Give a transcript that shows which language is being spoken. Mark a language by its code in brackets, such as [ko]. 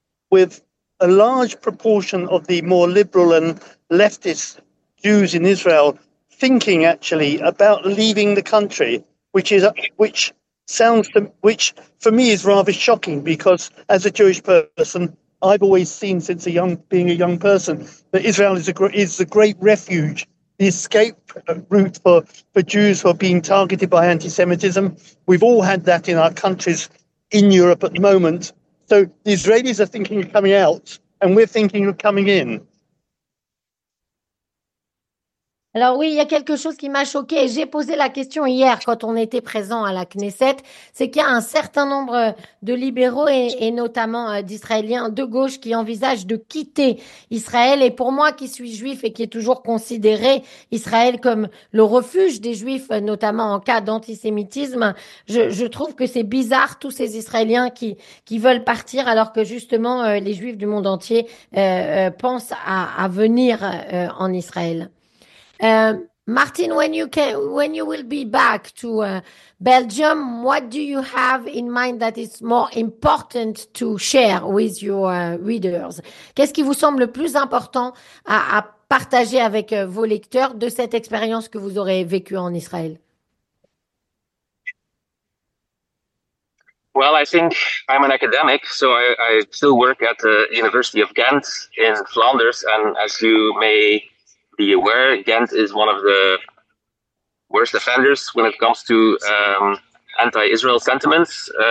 [en] with a large proportion of the more liberal and leftist Jews in Israel thinking actually about leaving the country, which for me is rather shocking, because as a Jewish person, I've always seen since a young person that Israel is a great refuge, the escape route for Jews who are being targeted by anti-Semitism. We've all had that in our countries in Europe at the moment. So the Israelis are thinking of coming out and we're thinking of coming in. [fr] Alors oui, il y a quelque chose qui m'a choquée et j'ai posé la question hier quand on était présent à la Knesset, c'est qu'il y a un certain nombre de libéraux et notamment d'Israéliens de gauche qui envisagent de quitter Israël. Et pour moi qui suis juif et qui ai toujours considéré Israël comme le refuge des juifs, notamment en cas d'antisémitisme, je trouve que c'est bizarre tous ces Israéliens qui veulent partir alors que justement les juifs du monde entier pensent à venir en Israël. [en] Martin, when you will be back to Belgium, what do you have in mind that is more important to share with your readers? [fr] Qu'est-ce qui vous semble le plus important à partager avec vos lecteurs de cette expérience que vous aurez vécue en Israël? [en] Well, I think I'm an academic, so I still work at the University of Ghent in Flanders, and as you may be aware, Ghent is one of the worst offenders when it comes to anti-Israel sentiments.